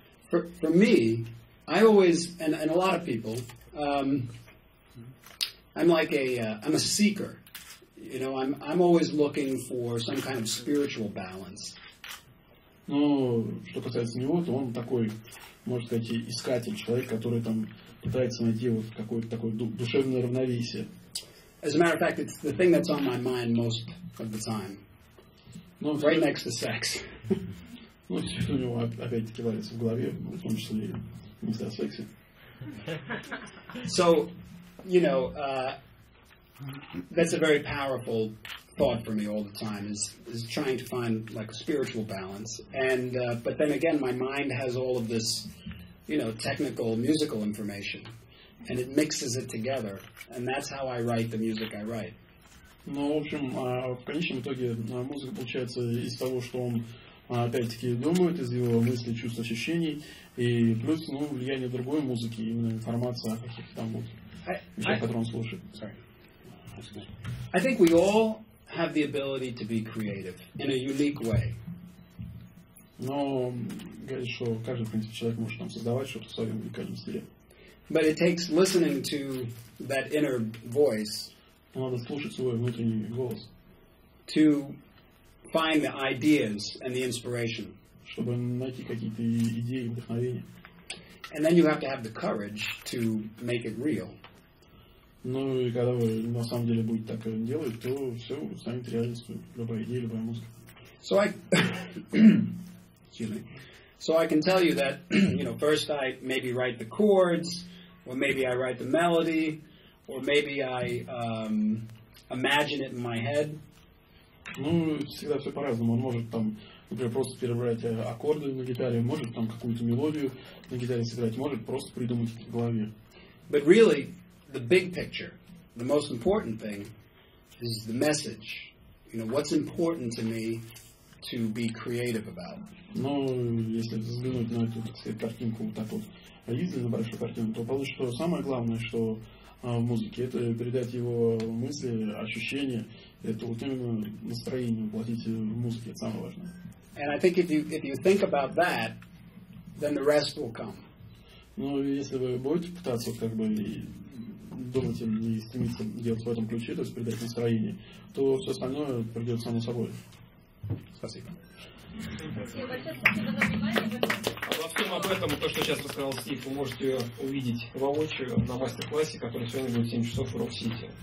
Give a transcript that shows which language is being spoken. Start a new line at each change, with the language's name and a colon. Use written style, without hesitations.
English: For me, I always, and a lot of people, I'm like I'm a seeker. You know, I'm always looking for some kind of spiritual balance.
Russian: Ну, что касается него, то он такой, можно сказать, искатель, человек, который там пытается найти вот какое-то такое душевное равновесие.
English: As a matter of fact, it's the thing that's on my mind most of the time.
Russian: Ну,
English: right next to sex.
Russian: Ну, все у него опять-таки варится в голове, в том числе и мысли о сексе.
English: So, you know, that's a very powerful thought for me all the time, is trying to find like a spiritual balance. And but then again, my mind has all of this, you know, technical musical information, and it mixes it together, and that's how I write the music I write.
Russian: Ну, в общем, в конечном итоге музыка получается из того, что он опять-таки думает, из его мыслей, чувств, ощущений, и плюс, ну, влияние другой музыки, именно информация о каких-то там вот вещах, которые он слушает.
English: I think we all have the ability to be creative in a unique way.
Russian: Но, говорит, что каждый, в принципе, человек может там создавать что-то в своем уникальном стиле.
English: But it takes listening to that inner voice.
Russian: Надо слушать свой внутренний голос.
English: To find the ideas and the inspiration.
Russian: Чтобы найти какие-то идеи и вдохновения.
English: And then you have to have the courage to make it real.
Russian: Ну и когда вы на самом деле будете так делать, то все станет реальностью, любая идея, любая музыка.
English: So I, excuse me. So I can tell you that, you know, first I maybe write the chords, or maybe I write the melody, or maybe I imagine it in my head.
Russian: Ну, всегда все по-разному. Он может там, например, просто перебрать аккорды на гитаре, может там какую-то мелодию на гитаре сыграть, может просто придумать это в голове.
English: But really, the big picture, the most important thing, is the message. You know, what's important to me to be creative about?
Russian: Ну, если взглянуть на эту, так сказать, картинку вот так вот, видно на большую картину, то получится, что самое главное, что в музыке, это передать его мысли, ощущения, это вот именно настроение воплотить в музыке, это самое важное.
English: And I think if you think about that, then the rest will come.
Russian: Ну, если вы будете пытаться вот как бы думать и стремиться делать в этом ключе, то есть придать настроение, то все остальное придет само собой. Спасибо. Во всем об этом, то, что сейчас рассказал Стив, вы можете увидеть воочию на мастер-классе, который сегодня будет 7 часов в Рок-Сити.